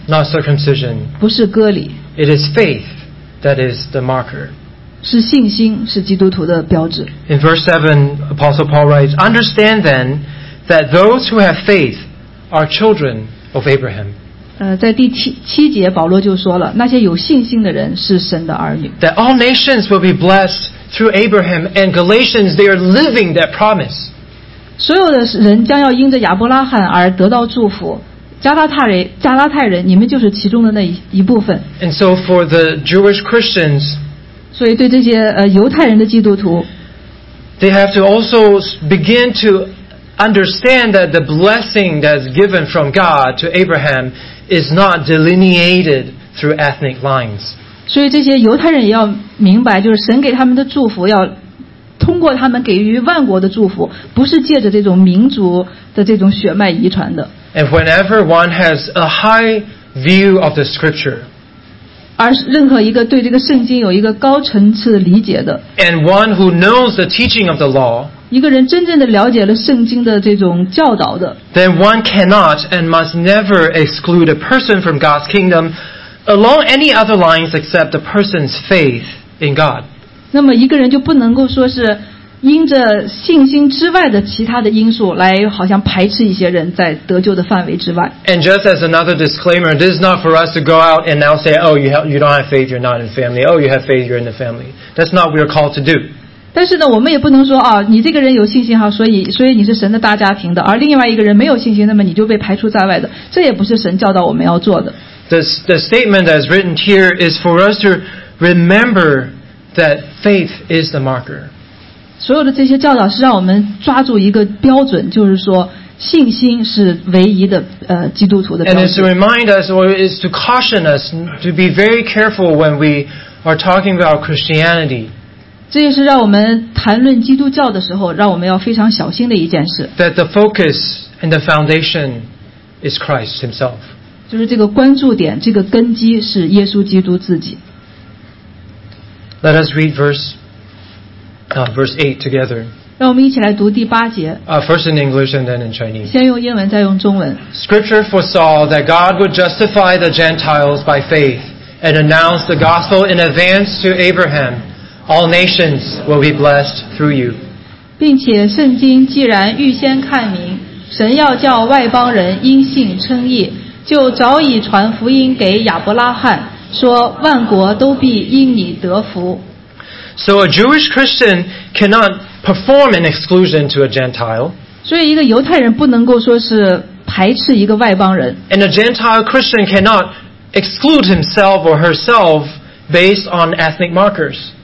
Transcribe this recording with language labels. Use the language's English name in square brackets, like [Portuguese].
[English] Not circumcision. [Chinese] 不是割礼。 [English] It is faith that is the marker. [Chinese] 是信心是基督徒的标志。 [English] In verse 7, Apostle Paul writes, "Understand then that those who have faith are children." Of Abraham. [Chinese] 在第七节保罗就说了，那些有信心的人是神的儿女。 [English] That all nations will be blessed through Abraham and Galatians, they are living that promise. [Chinese] 所有的人将要因着亚伯拉罕而得到祝福。加拉太人，你们就是其中的那一部分。 [English] And so for the Jewish Christians, [Chinese] 所以对这些犹太人的基督徒， [English] they have to also begin toUnderstand that the blessing that's given from God to Abraham is not delineated through ethnic lines. [Chinese] 所以这些犹太人也要明白，就是神给他们的祝福要通过他们给予万国的祝福，不是借着这种民族的这种血脉遗传的。 [English] And whenever one has a high view of the Scripture, [Chinese] 而任何一个对这个圣经有一个高层次理解的 [English] ，and one who knows the teaching of the law. [Chinese] 一个人真正的了解了圣经的这种教导的， [English] then one cannot and must never exclude a person from God's kingdom along any other lines except the person's faith in God. [Chinese] 那么一个人就不能够说是因着信心之外的其他的因素来好像排斥一些人在得救的范围之外。 [English] And just as another disclaimer, this is not for us to go out and now say, oh, you don't have faith, you're not in the family. Oh, you have faith, you're in the family. That's not what we are called to do. [Chinese] 但是呢，我们也不能说啊，你这个人有信心哈，所以你是神的大家庭的，而另外一个人没有信心，那么你就被排除在外的，这也不是神教导我们要做的。 [English] The statement that is written here is for us to remember that faith is the marker. [Chinese] 所有的这些教导是让我们抓住一个标准，就是说信心是唯一的基督徒的标准。 [English] And it's to remind us or is to caution us to be very careful when we are talking about Christianity. [Chinese] 这也是让我们谈论基督教的时候，让我们要非常小心的一件事。 [English] That the focus and the foundation is Christ Himself. [Chinese] 就是这个关注点，这个根基是耶稣基督自己。 [English] Let us read verse 8 together. [Chinese] 让我们一起来读第八节。 [English] First in English and then in Chinese. [Chinese] 先用英文，再用中文。 [English] Scripture foresaw that God would justify the Gentiles by faith and announce the gospel in advance to Abraham. All nations will be blessed through you. [Chinese] 并且圣经既然预先看明，神要叫外邦人因信称义，就早已传福音给亚伯拉罕，说万国都必因你得福。 [English] So a Jewish Christian cannot perform an exclusion to a Gentile. [Chinese] 所以一个犹太人不能够说是排斥一个外邦人。 [English] And a Gentile Christian cannot exclude himself or herself based on ethnic markers.